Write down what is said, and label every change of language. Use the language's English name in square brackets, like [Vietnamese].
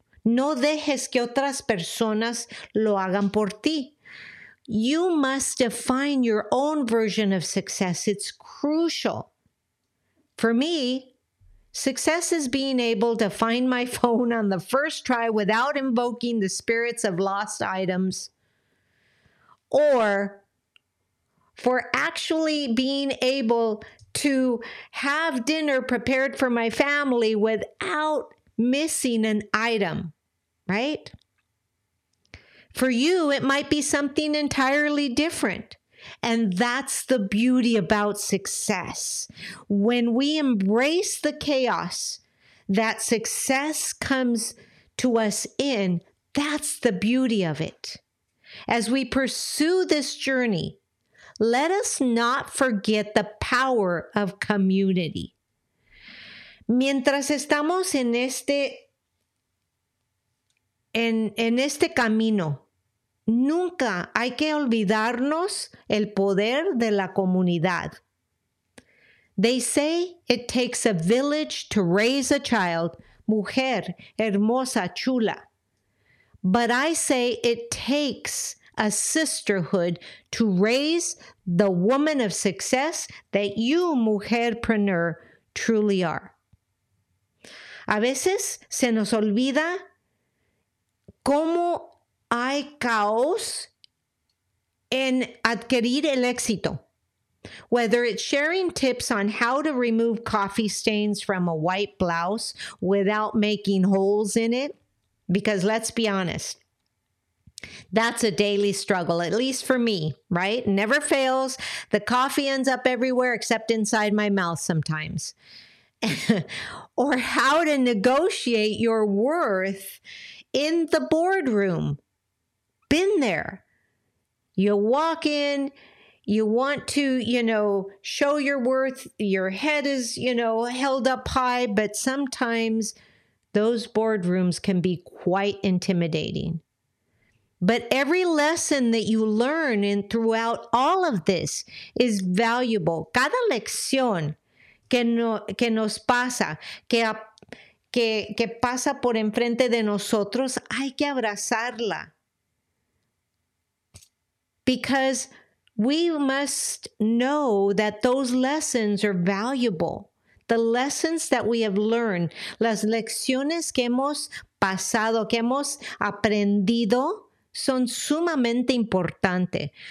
[Spanish] No dejes que otras personas lo hagan por ti. [English] You must define your own version of success. It's crucial. For me, success is being able to find my phone on the first try without invoking the spirits of lost items. Or for actually being able to have dinner prepared for my family without missing an item, right? For you, it might be something entirely different. And that's the beauty about success. When we embrace the chaos that success comes to us in, that's the beauty of it. As we pursue this journey, let us not forget the power of community. [Spanish] Mientras estamos en este camino, nunca hay que olvidarnos el poder de la comunidad. [English] They say it takes a village to raise a child, [Spanish] mujer, hermosa, chula. [English] But I say it takes a sisterhood to raise the woman of success that you, mujerpreneur, truly are. [Spanish] A veces se nos olvida cómo hay caos en adquirir el éxito. [English] Whether it's sharing tips on how to remove coffee stains from a white blouse without making holes in it, because let's be honest, that's a daily struggle, at least for me, right? Never fails. The coffee ends up everywhere except inside my mouth sometimes. Or how to negotiate your worth in the boardroom. Been there. You walk in, you want to, you know, show your worth. Your head is, you know, held up high, but sometimes those boardrooms can be quite intimidating. But every lesson that you learn in throughout all of this is valuable. [Spanish] Cada lección que pasa por enfrente de nosotros, hay que abrazarla. [English] Because we must know that those lessons are valuable. The lessons that we have learned, [Spanish] las lecciones que hemos pasado, que hemos aprendido, son sumamente importante.